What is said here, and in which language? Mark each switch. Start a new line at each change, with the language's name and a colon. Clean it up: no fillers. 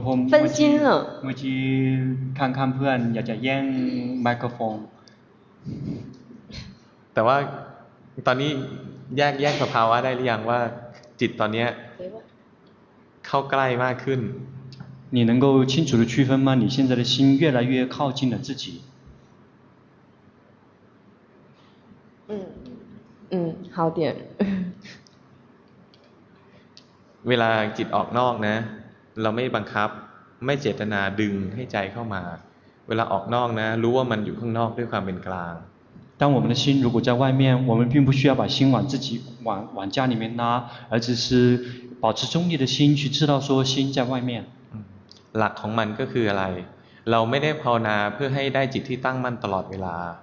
Chinese: 分心了我去看看
Thai: เพื่อนอยากจะแย่งไมโครโฟน แต่ว่าตอนนี้แยกสภาวะได้หรือยังว่าจิตตอนนี้เข้าใกล้มากขึ้น
Chinese: 你能够清楚的区分吗你现在的心越来越靠近了自己好点
Thai: เวลาจิตออกนอกนะเราไม่บังคับไม่เจตนาดึงให้ใจเข้ามาเวลาออกนอกนะรู้ว่ามันอยู่ข้างนอกด้วยความเป็นกลาง
Chinese: 当我们的心如果在外面我们并不需要把心往自己往家里面拉而只是保持中立的心去知道说心在外面
Thai: หลักของมันก็คืออะไรเราไม่ได้ภาวนาเพื่อให้ได้จิตที่ตั้งมั่นตลอดเวลา